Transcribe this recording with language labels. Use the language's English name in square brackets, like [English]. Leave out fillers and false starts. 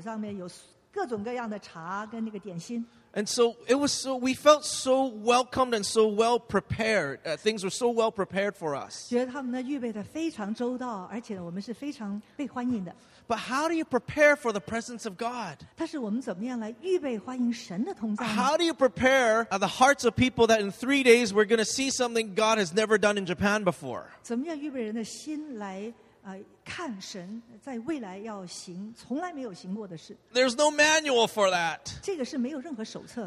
[Chinese] 在一个小小的那个一个小桌子上面有各种各样的茶跟那个点心。 [English] And so it was so we felt so welcomed and so well prepared. Things were so well prepared for us. [Chinese] 觉得他们呢预备的非常周到，而且我们是非常被欢迎的。 [English] But how do you prepare for the presence of God? How do you prepare the hearts of people that in 3 days we're going to see something God has never done in Japan before? There's no manual for that.